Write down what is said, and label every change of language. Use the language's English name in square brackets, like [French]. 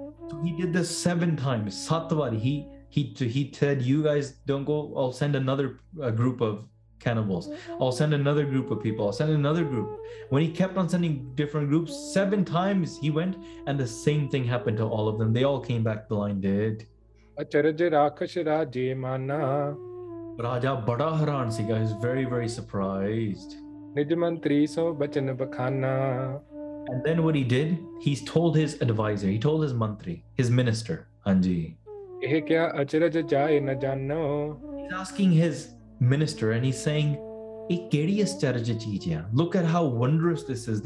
[English] So he did this 7 times. Satvari. He said, you guys don't go, I'll send another group of cannibals. I'll send another group of people. I'll send another group. When he kept on sending different groups, 7 times he went, and the same thing happened to all of them. They all came back blinded. [Punjabi] ਅਚਰਜ ਰਾਖਸ਼ ਰਾਜੇ ਮਾਨਾ ਰਾਜਾ ਬੜਾ ਹੈਰਾਨ ਸੀਗਾ [English] he is very very surprised [Punjabi] ਨਿਜ ਮੰਤਰੀ ਸੋ ਬਚਨ ਬਖਾਨਾ [English] And then what he did, he told his advisor, he told his mantri, his minister, Hanji. He's asking his minister and he's saying, look at how wondrous this is.